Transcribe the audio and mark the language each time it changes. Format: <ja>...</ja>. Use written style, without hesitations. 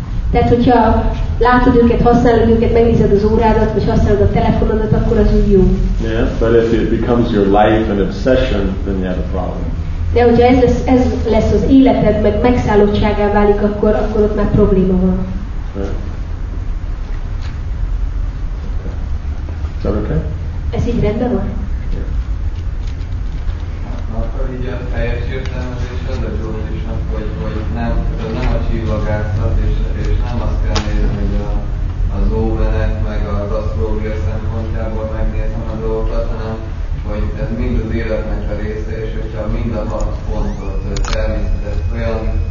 <hu>Tehát, hogyha látod őket, használod őket, megnézed az órádat, vagy használod a telefonodat, akkor az úgy jó.</hu> <en>Yeah, but if it becomes your life and obsession, then you have a problem.</en> <hu>De hogyha ez lesz az életed, meg megszállottságá válik, akkor ott már probléma van.</hu> <en>Is that okay?</en> <hu>Ez így rendben van? Akkor így a teljes értelmezésed, a gyógyisnak, hogy nem a csillagászat, és nem azt kell nézni, hogy az óvenek, meg az asztrológia szempontjából megnézem a dolgokat, hanem hogy ez mind az életnek a része, és hogyha mind a hat pontot természetes olyan</hu>